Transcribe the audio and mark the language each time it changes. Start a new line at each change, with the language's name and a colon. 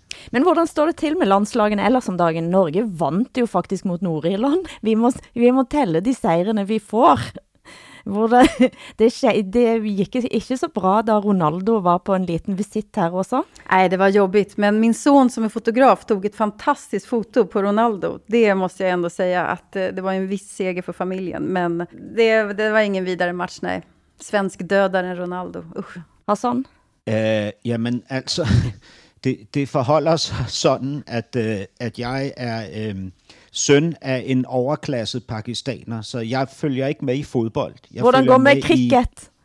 Norwegian: Men hvordan står det til med landslagen ellers om dagen? Norge vant jo faktisk mot Nord-Irland. Vi må telle de seirene vi får. Det gikk ikke så bra da Ronaldo var på en liten visit her også.
Swedish: Nej, det var jobbigt. Men min son som fotograf tog et fantastisk foto på Ronaldo. Det måste jeg ändå säga at det var en viss seger for familien. Men det var ingen vidare match, nej. Svensk dödaren Ronaldo. Usch. Hassan?
Danish: Jamen, altså... Det forholder sig sådan, at jeg er søn af en overklasset pakistaner, så jeg følger ikke med i fodbold. Hvordan går med cricket?